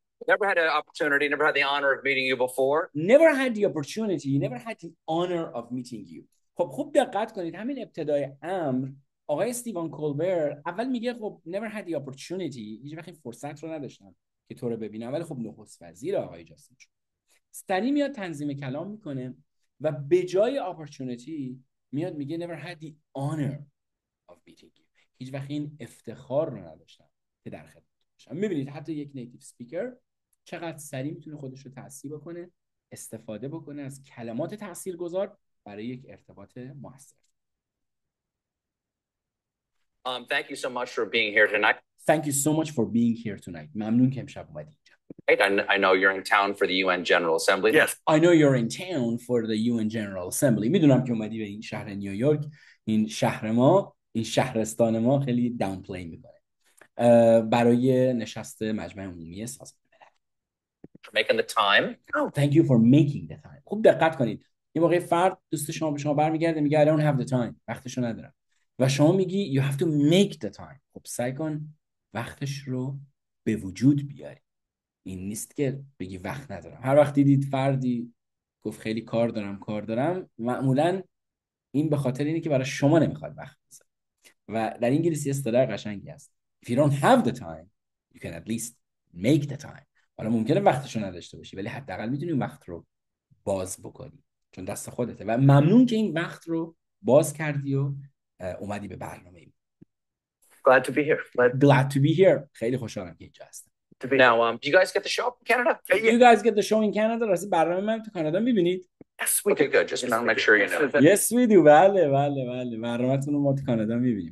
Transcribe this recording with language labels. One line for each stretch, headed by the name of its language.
English: Never had an opportunity, never had the honor of meeting you before. Never had the opportunity, never had the honor of meeting you.
Persian: خب خوب دقت کنید، همین ابتدای امر آقای استیون کولبر اول میگه خب
English: never had the opportunity،
Persian: هیچ وقت فرصت رو نداشتم که تو رو ببینم، ولی خب نخست وزیر آقای جاستین شد. سریع میاد تنظیم کلام میکنه و به جای opportunity میاد میگه
English: never had the honor of meeting you.
Persian: هیچ وقت این افتخار رو نداشتم که در خدمت باشم. میبینید حتی یک نیتیو سپیکر چقدر سریع میتونه خودش رو تأثیر بکنه، استفاده بکنه از کلمات تأثیرگذار برای یک ارتباط موثر.
English: Thank you so much for being here tonight. Thank you so much for being here tonight.
Persian: ممنون که امشب اومدید اینجا.
English: I know you're in town for the UN General Assembly. Yes, I know you're in town for the UN General Assembly.
Persian: میدونم که اومدی به این شهر نیویورک، این شهر ما، این شهرستان ما خیلی داون پلی می‌کنه. برای نشست مجمع عمومی سازمان ملل.
English: Making the time. Oh, thank you for making the time.
Persian: خوب دقت کنید. یه موقع فرد دوست شما به شما برمیگرده میگه
English: I don't have the time.
Persian: وقتشو ندارم. و شما میگی
English: you have to make the time.
Persian: خب سعی کن وقتش رو به وجود بیاری. این نیست که بگی وقت ندارم. هر وقت دیدید فردی گفت خیلی کار دارم کار دارم، معمولا این به خاطر اینه که برای شما نمیخواد وقت بذاره. و در انگلیسی اصطلاح قشنگی هست:
English: If you don't have the time, you can at least make the time.
Persian: حالا ممکنه وقتشو نداشته باشی، ولی حداقل میتونی وقت رو باز بکنی، چون دست خودته. و ممنون که این وقت رو باز کردی و اومدی به برنامه.
English: Glad to be here. Glad to be here.
Persian: خیلی خوشحالم که اینجا هستم.
English: Now, do you guys get the show in Canada? Do you guys get the show in Canada?
Persian: راستی برنامه من تو کانادا میبینید؟
English: Yes, we do. Good. Just make sure you know. Yes, we do.
Persian: بله، بله، بله. برنامه‌تون رو ما تو کانادا میبینیم.